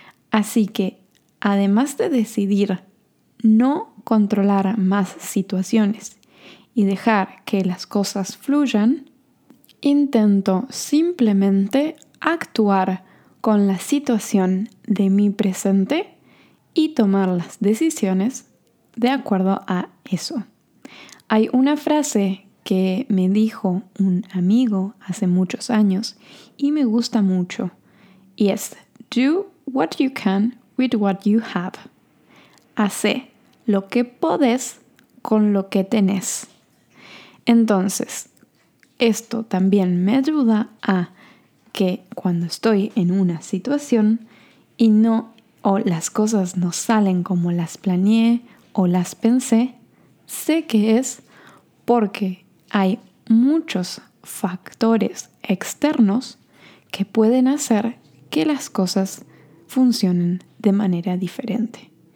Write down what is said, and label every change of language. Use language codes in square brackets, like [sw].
[es] Así que, además de decidir no controlar más situaciones y dejar que las cosas fluyan, intento simplemente actuar con la situación de mi presente y tomar las decisiones de acuerdo a eso. Hay una frase que me dijo un amigo hace muchos años y me gusta mucho. Y es, [en] do what you can with what you have. [es] Hacé lo que podés con lo que tenés. Entonces, esto también me ayuda a que cuando estoy en una situación y no o las cosas no salen como las planeé o las pensé, sé que es porque hay muchos factores externos que pueden hacer que las cosas funcionen de manera diferente.